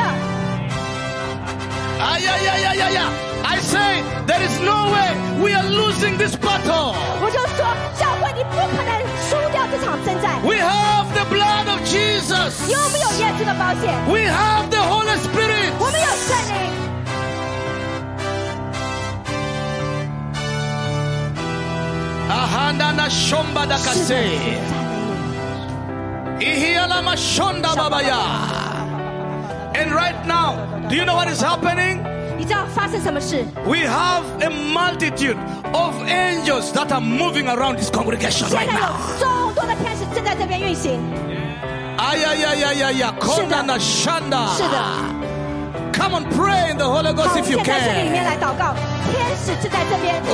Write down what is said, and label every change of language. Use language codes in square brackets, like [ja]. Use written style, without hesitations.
[en] 哎呀呀呀呀呀 ！I say there is no way we are losing this battle. [zh] 我就说教会你不可能输掉这场征战。 [en] We have the blood of Jesus. [zh] 有没有耶稣的宝血 [en] ？We have the Holy Spirit. [zh] 我们有圣灵。阿哈那那雄巴达卡西。 [en] And right now, do you know what is happening? [zh] 你知道发生什么事? [en] We have a multitude of angels that are moving around this congregation right now. [zh] 现在有众多的天使正在这边运行。哎呀呀呀呀呀！是的，是的。 [en] Come on, pray in the Holy Ghost if you can. [zh] 现在圣灵里面来祷告，天使正在这边活